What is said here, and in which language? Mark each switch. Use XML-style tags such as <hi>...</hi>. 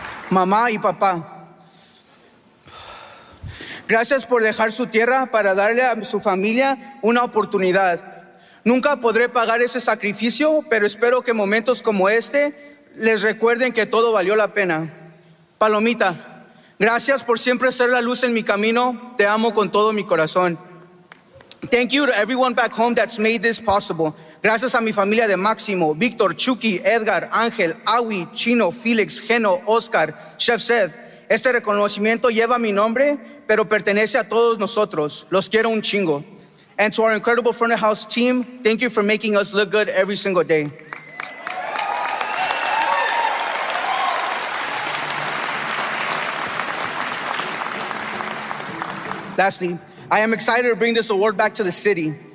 <es>Mamá y papá, gracias por dejar su tierra para darle a su familia una oportunidad. Nunca podré pagar ese sacrificio, pero espero que momentos como este les recuerden que todo valió la pena. Palomita, gracias por siempre ser la luz en mi camino. Te amo con todo mi corazón.</es> <en>Thank you to everyone back home that's made this possible.</en> <es>Gracias a mi familia de Máximo, Víctor, Chucky, Edgar, Ángel, Awi, Chino, Félix, Geno, Oscar, Chef Seth. Este reconocimiento lleva mi nombre, pero pertenece a todos nosotros. Los quiero un chingo.</es> <en>And to our incredible front of house team, thank you for making us look good every single day. Lastly, I am excited to bring this award back to the city.</en>